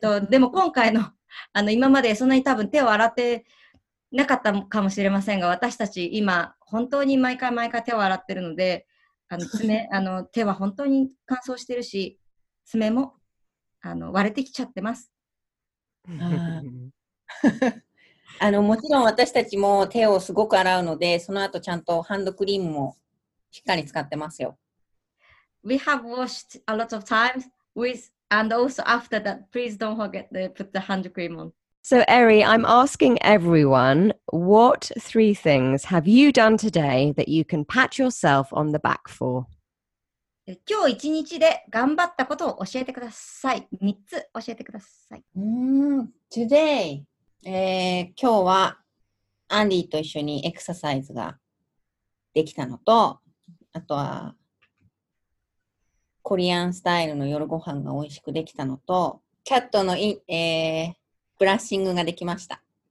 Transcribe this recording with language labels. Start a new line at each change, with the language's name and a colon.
Japanese: でも今回の、今までそんなに多分手を洗ってなかったかもしれませんが、私たち今本当に毎回毎回手を洗ってるので、手は本当に乾燥してるし、爪も割れてきちゃってます。もちろん私たちも手をすごく洗うので、その後ちゃんとハンドクリームもしっかり使ってますよ。
English: we have washed a lot of times with, and also after that, please don't forget to put the hand cream on. So, Eri, I'm asking everyone, what three things have you done today that you can pat yourself on the back for?
Japanese: 今日一日で頑張ったことを教えてください。 3つ教えてください。 Today、今日はアンディと一緒にエクササイズができたのと、あとはコリアンスタイルの夜ご飯が美味しくできたのと、キャットの、ブラッシングができました。